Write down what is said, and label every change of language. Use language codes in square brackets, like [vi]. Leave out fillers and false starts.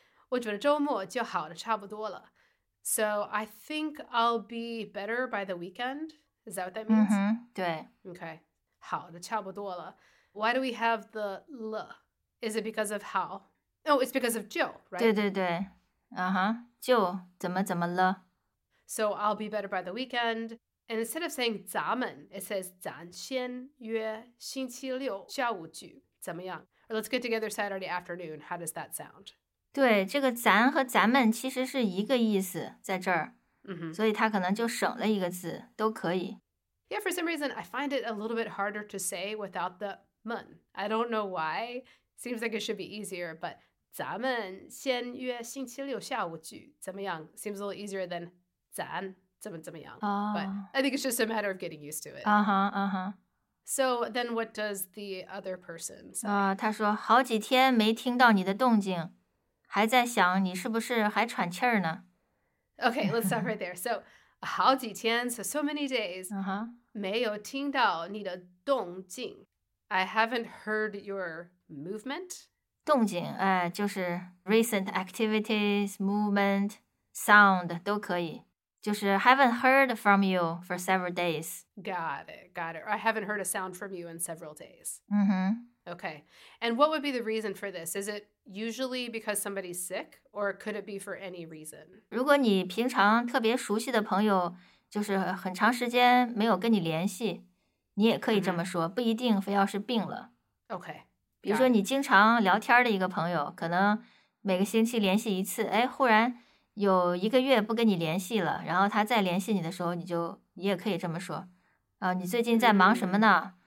[zh] 我觉得周末就好得差不多了。 [en] So I think I'll be better by the weekend. Is that what that means? [zh] Mm-hmm. 对。 [en] Okay. [zh] 好得差不多了。 [en] Why do we have the 了? Is it because of how? Oh, it's because of 就, right? [zh] 对对对, 就怎么怎么了。 [en] So I'll be better by the weekend. And instead of saying 咱们, it says [zh] 咱先约星期六下午聚怎么样? [en] Or let's get together Saturday afternoon. How does that sound? [zh] 对,这个咱和咱们其实是一个意思在这儿。所以它可能就省了一个字,都可以。 [en] Yeah, for some reason, I find it a little bit harder to say without the 们. I don't know why. Seems like it should be easier, but [zh] 咱们先约星期六下午聚怎么样? [en] Seems a little easier than 咱,怎么样。 But I think it's just a matter of getting used to it. So then what does the other person say? [zh] 他说好几天没听到你的动静，还在想你是不是还喘气儿呢。 [en] Okay, let's stop right there. So 好几天 so many days, [zh] 没有听到你的动静。 [en] I haven't heard your movement. [zh] 动静，就是 [en] recent activities, movement, sound, [zh] 都可以。 [en] 就是 haven't heard from you for several days. Got it. I haven't heard a sound from you in several days. Mm-hmm. Okay. And what would be the reason for this? Is it usually because somebody's sick, or could it be for any reason? [zh] 如果你平常特别熟悉的朋友就是很长时间没有跟你联系，你也可以这么说，不一定非要是病了。 [en] Okay. [zh] 比如说你经常聊天的一个朋友，可能每个星期联系一次，哎，忽然有一个月不跟你联系了，然后他再联系你的时候，你也可以这么说，你最近在忙什么呢？